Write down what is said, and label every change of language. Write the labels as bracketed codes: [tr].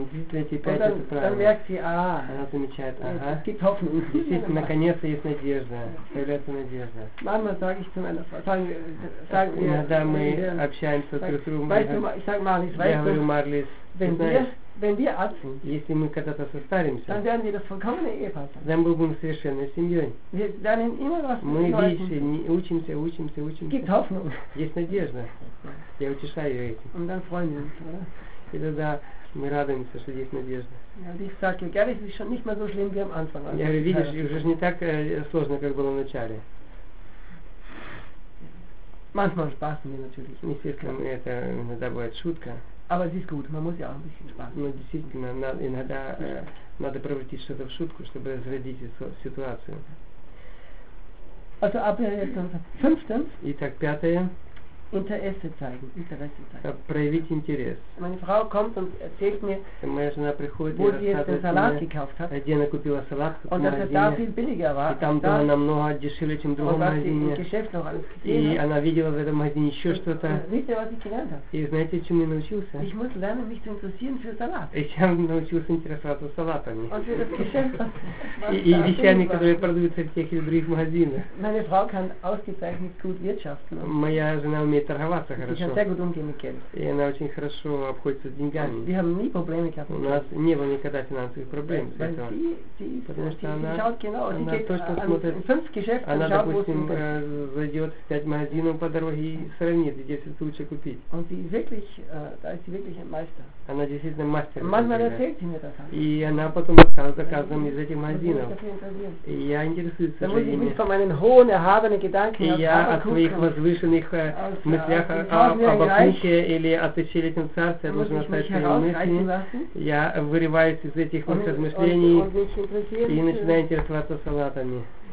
[ru] Действительно, эти 5 это правильно. Она замечает, ага. Действительно, наконец-то есть надежда. Появляется надежда. [de] Мама, sag ich zu meiner Frau. [ru] Иногда мы общаемся с Рутрумом. Я говорю, Марлис, [de] wenn wir atmen, [ru] если мы когда-то состаримся, [de] dann werden wir das vollkommene Ehepaar sein. Dann [ru] будем совершенной семьей. [de] Wir lernen immer was. [ru] Мы видите, учимся. [de] Gibt Hoffnung. [ru] Есть надежда. Я утешаю ее этим. [de] Und dann freuen wir uns, oder? [ru] И тогда мы радуемся, что есть надежда. [de] Ja, und ich sage, es ist schon nicht mehr so schlimm wie am Anfang. [ru] Я говорю, видишь, уже не так сложно, как было в начале. [de] Manchmal spaßen wir natürlich. [ru] Естественно, ja. Это иногда бывает шутка. [de] Aber es ist gut, man muss ja auch ein bisschen Spaß haben. [ru] Ну, действительно, иногда надо превратить что-то в шутку, чтобы разрядить ситуацию. [de] Also, fünftens. [ru] Итак, пятое. [de] Interesse zeigen. Interesse zeigen. [ru] Проявить интерес. [de] Meine Frau kommt und erzählt mir, [ru] моя жена приходит, [de] wo sie jetzt den Salat gekauft hat. [ru] Где она купила салат. [de] Und dass es da viel billiger war. [ru] И там было намного дешевле, чем в другом магазине. [de] Und Geschäft noch alles gesehen. [ru] И она видела в этом магазине еще что-то. Видите, [de] was ich gelernt habe. [ru] И знаете, чему я научился? [de] Ich muss lernen, mich zu interessieren für Salat. [ru] И я научился интересоваться салатами. [de] Und für das Geschäft. [ru] И вещами, которые продаются в тех или других магазинах. [de] Meine Frau kann ausgezeichnet gut wirtschaften. [ru] Моя жена умеет торговаться хорошо. И она очень хорошо обходится с деньгами. [de] Wir haben nie Probleme gehabt. [ru] У нас не было никогда финансовых проблем с этим. Потому что она точно смотрит. Она, допустим, зайдет в 5 магазинов по дороге и сравнит, где все лучше купить. [de] Und sie wirklich, da ist sie wirklich ein Meister. [ru] Она действительно мастер. [de] Manchmal erzählt sie mir das. [ru] И она потом рассказывает о каждом из этих магазинов. И я интересуюсь, что именно. [de] Da muss ich mich von meinen hohen, erhabenen Gedanken auf Habakkuk. [ru] И я от своих возвышенных мыслях об Абхухе или о Тысячелетнем Царстве, я должен оставить свои мысли. Я вырываюсь из этих вот размышлений и начинаю интересоваться салатами.